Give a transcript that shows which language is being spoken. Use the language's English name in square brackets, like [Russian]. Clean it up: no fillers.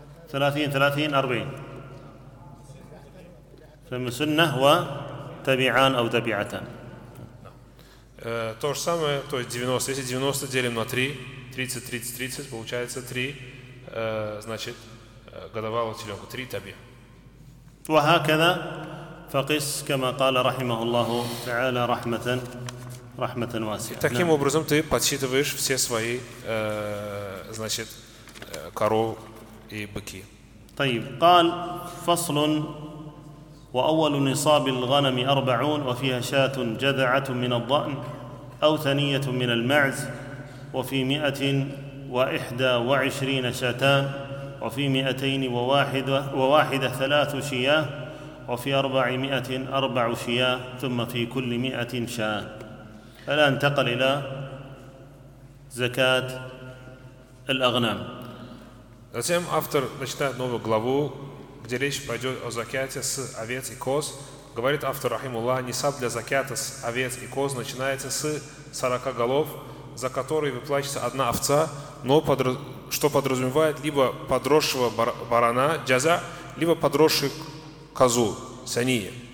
[Arabic] ثلاثين ثلاثين أربعين فمسنة وتبيعان أو تبيعتان. [Russian] То же самое, то есть 90. Если 90 делим на 3, 30, 30, 30, получается 3, значит, годовалого теленка, 3 таби. [Arabic] وهكذا فقس كما قال رحمه الله تعالى رحمة رحمة واسعة. [Russian] Таким образом ты подсчитываешь все свои, значит, коров и быки. [Arabic] طيب قال فصل وأول نصاب الغنم 40 وفيها شاة جذعة من الضأن أو ثنية من المعز وفي 121 شاتان وفي 201 ثلاث شياه وفي 404 شياه ثم في كل 100 شاة. الآن انتقل إلى زكاة الأغنام. [Russian] Затем автор начинает новую главу, где речь пойдет о закяте с овец и коз. Говорит автор, рахимуллах, нисаб для закята с овец и коз начинается с 40 голов, за которые выплачивается одна овца, но что подразумевает либо подросшего барана, джаза, либо подросшую козу, сяния.